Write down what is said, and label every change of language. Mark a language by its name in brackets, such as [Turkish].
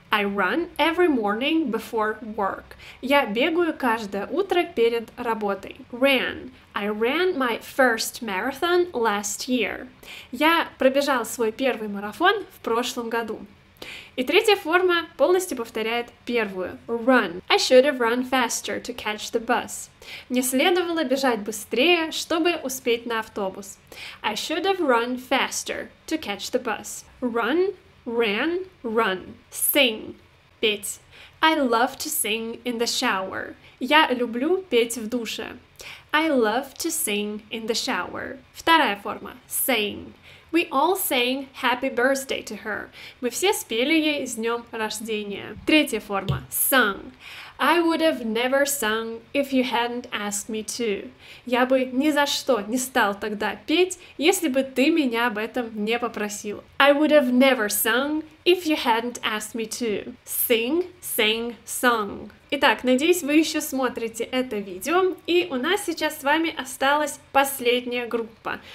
[English] I run every morning before work. [Russian] Я бегаю каждое утро перед работой. [English] Ran. I ran my first marathon last year. [Russian] Я пробежал свой первый марафон в прошлом году. И третья форма полностью повторяет первую. [English] Run. I should have run faster to catch the bus. [Russian] Мне следовало бежать быстрее, чтобы успеть на автобус. [English] I should have run faster to catch the bus. Run, ran, run. Sing. [Russian] Петь. [English] I love to sing in the shower. [Russian] Я люблю петь в душе. [English] I love to sing in the shower. [Russian] Вторая форма. [English] Sing. We all sang happy birthday to her. [Russian] Мы все спели ей с днем рождения. Третья форма. [English] Sung. I would have never sung if you hadn't asked me to. [Russian] Я бы ни за что не стал тогда петь, если бы ты меня об этом не попросил. [English] I would have never sung if you hadn't asked me to. Sing, sang, song. [Russian] Итак, надеюсь, вы еще смотрите это видео, и у нас сейчас с вами осталась последняя группа.